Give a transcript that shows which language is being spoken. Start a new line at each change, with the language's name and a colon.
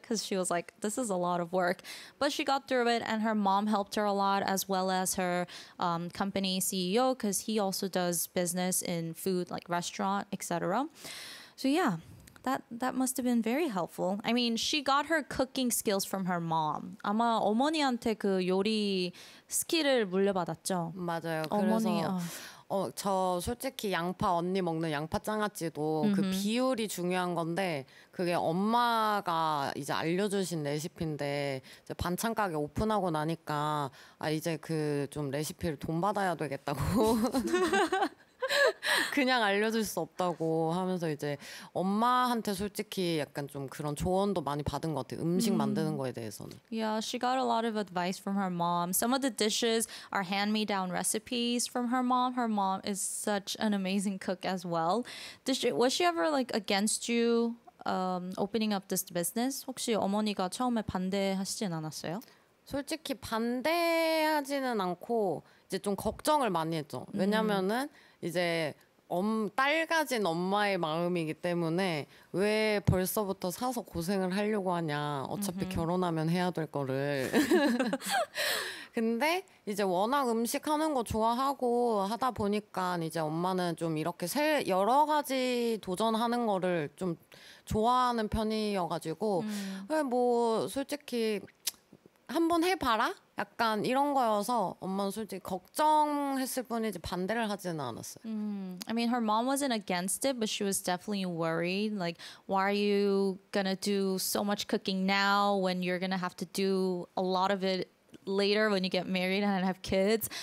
English: Because she was like, this is a lot of work. But she got through it, and her mom helped her a lot, as well as her company CEO, because he also does business in food, like restaurant, etc. So yeah, that must have been very helpful. I mean, she got her cooking skills from her mom.
Korean: 아마 어머니한테 그 요리 스킬을 물려받았죠. 맞아요. 어머니, 그래서 저 솔직히 양파 언니 먹는 양파 장아찌도 그 비율이 중요한 건데 그게 엄마가 이제 알려주신 레시피인데 이제 반찬 가게 오픈하고 나니까 아 이제 그 좀 레시피를 돈 받아야 되겠다고. 그냥 알려줄 수 없다고 하면서 이제 엄마한테 솔직히 약간 좀 그런 조언도 많이 받은 것 같아요. 음식 만드는 거에 대해서는.
English: Yeah, she got a lot of advice from her mom. Some of the dishes are hand-me-down recipes from her mom. Her mom is such an amazing cook as well. Was she ever like against you opening up this business?
Korean: 혹시 어머니가 처음에 반대하시진 않았어요? 솔직히 반대하지는 않고 이제 좀 걱정을 많이 했죠. 왜냐면은 이제 딸 가진 엄마의 마음이기 때문에 왜 벌써부터 사서 고생을 하려고 하냐. 어차피 결혼하면 해야 될 거를. 근데 이제 워낙 음식 하는 거 좋아하고 하다 보니까 이제 엄마는 좀 이렇게 여러 가지 도전하는 거를 좀 좋아하는 편이어가지고 뭐 솔직히 한번 해봐라? 약간 이런 거여서 엄마는 솔직히 걱정했을 뿐이지 반대를 하지는 않았어요.
English: I mean, her mom wasn't against it, but she was definitely worried. Like, why are you gonna do so much cooking now when you're gonna have to do a lot of it later when you get married and have kids?